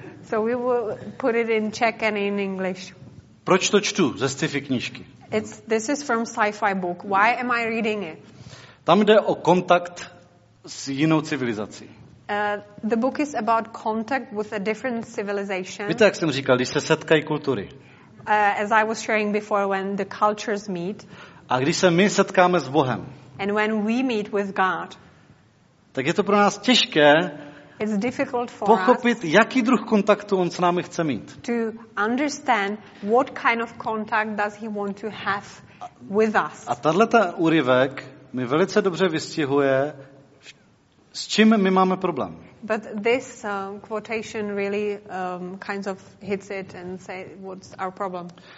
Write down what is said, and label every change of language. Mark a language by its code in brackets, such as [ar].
[en] So we will put it in Czech and in English. [cs] Proč to čtu ze sci-fi knížky? [en] This is from sci-fi book. Why am I reading it? [cs] Tam jde o kontakt s jinou civilizací. [en] The book is about contact with a different civilization. [cs] Víte, jak jsem říkal, když se setkají kultury. [en] As I was sharing before, when the cultures meet. [cs] A když se my setkáme s Bohem. [en] And when we meet with God. [cs] Tak je to pro nás těžké. [en] It's difficult for [cs] pochopit, [en] us. [cs] Jaký druh kontaktu on s námi chce mít. [en] To understand what kind of contact does he want to have with us. [cs] A tato úryvek mi velice dobře vystihuje, s čím my máme problém. [en] But this quotation really kind of hits it and say what's our problem.